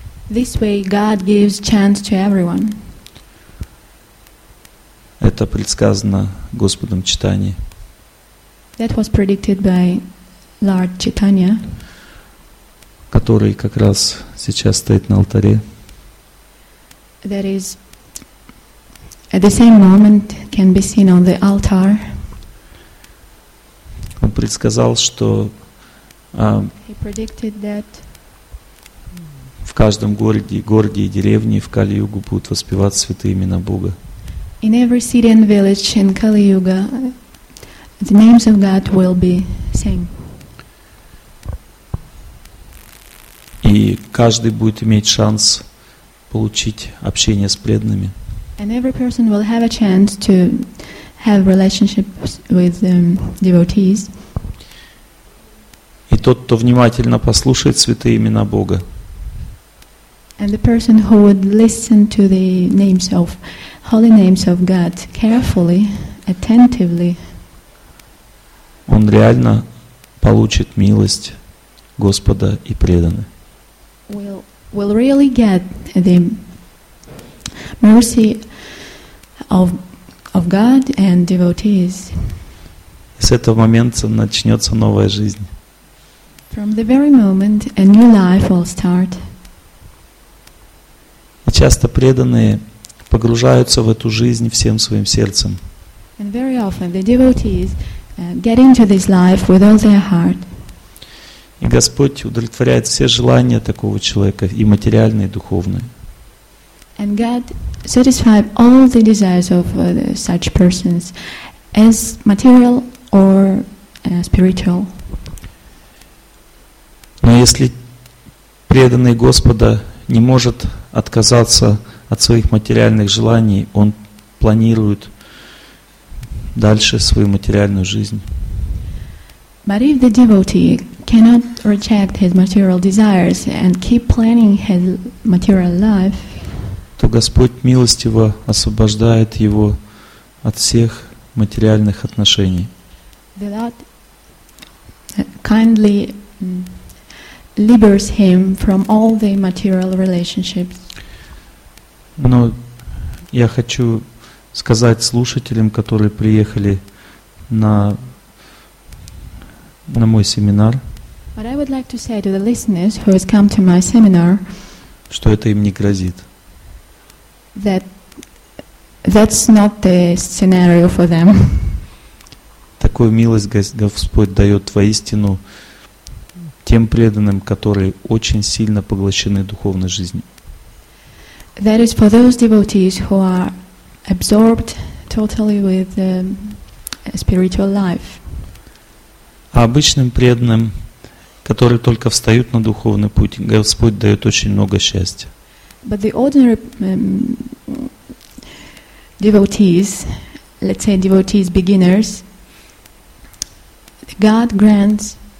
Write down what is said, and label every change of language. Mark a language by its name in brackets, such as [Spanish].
[English] This way God gives chance to everyone. [Russian] Это предсказано Господом Чайтаньей. [English] That was predicted by Lord Chaitanya, [Russian] который как раз сейчас стоит на алтаре. [English] That is at the same moment can be seen on the altar. [Russian] Он предсказал, что [English] he predicted that [Russian] в каждом городе и деревне в Кали-Югу будут воспевать святые имена Бога. [English] In every city and village in Kali-Yuga, the names of God will be sung. [Russian] И каждый будет иметь шанс получить общение с преданными. [English] And every person will have a chance to have relationships with devotees. [Russian] И тот, кто внимательно послушает святые имена Бога. [English] And the person who would listen to the names of holy names of God carefully, attentively. [Russian] Он реально получит милость Господа и преданных. [English] Will really get the mercy of God and devotees. [Russian] С этого момента начнется новая жизнь. [English] From the very moment a new life will start. [Russian] И часто преданные погружаются в эту жизнь всем своим сердцем. [English] And very often the devotees get into this life with all their heart. [Russian] И Господь удовлетворяет все желания такого человека, и материальные, и духовные. [English] And God satisfies all the desires of such persons, as material or spiritual. [Russian] Но если преданный Господа не может отказаться от своих материальных желаний, он планирует дальше свою материальную жизнь. [English] But if the devotee cannot reject his material desires and keep planning his material life, [Russian] то Господь милостиво освобождает его от всех материальных отношений. [English] The Lord kindly liberates him from all the material relationships. [Russian] Но я хочу сказать слушателям, которые приехали на мой семинар, [English] but I would like to say to the listeners who has come to my seminar, [Russian] что это им не грозит. [English] That's not the scenario for them. [Russian] Такую милость Господь дает воистину тем преданным, которые очень сильно поглощены духовной жизнью. [English] That is for those devotees who are absorbed totally with spiritual life. [Russian] А обычным преданным, которые только встают на духовный путь, Господь дает очень много счастья. [English] But the ordinary devotees, let's say devotees beginners, God grants.